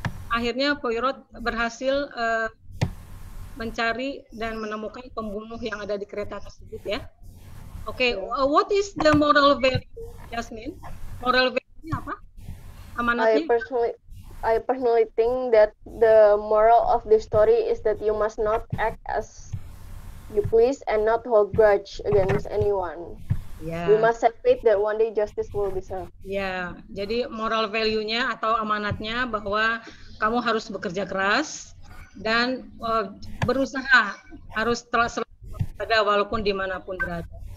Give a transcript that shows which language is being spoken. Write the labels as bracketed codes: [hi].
[id] Akhirnya Poirot berhasil mencari dan menemukan pembunuh yang ada di kereta tersebut ya. Oke, okay. [en] What is the moral value, Jasmine? [id] Moral value-nya apa? Amanatnya? [en] I personally think that the moral of the story is that you must not act as you please and not hold grudge against anyone. Yeah. We must have faith that one day justice will be served. Yeah. [id] Jadi moral value-nya atau amanatnya bahwa kamu harus bekerja keras dan berusaha harus telah selalu walaupun dimanapun berada.